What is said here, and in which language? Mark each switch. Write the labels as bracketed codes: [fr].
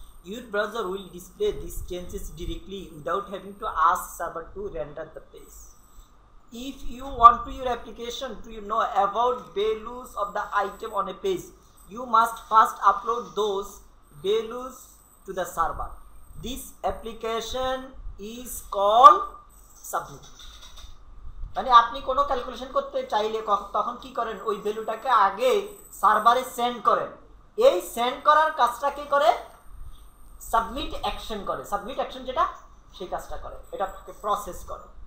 [en] Your browser will display this changes directly without having to ask server to render the page. If you want to your application to you know about values of the item on a page, you must first upload those values to the server. This application is called submit. [bn] মানে আপনি কোনো calculation করতে চাইলে তখন কি করেন, ওই ভ্যালুটাকে আগে সার্ভারে সেন্ড করেন, এই সেন্ড করার কাজটা কে করে সাবমিট অ্যাকশন করে, সাবমিট অ্যাকশন যেটা সেই কাজটা করে, এটা প্রসেস করে।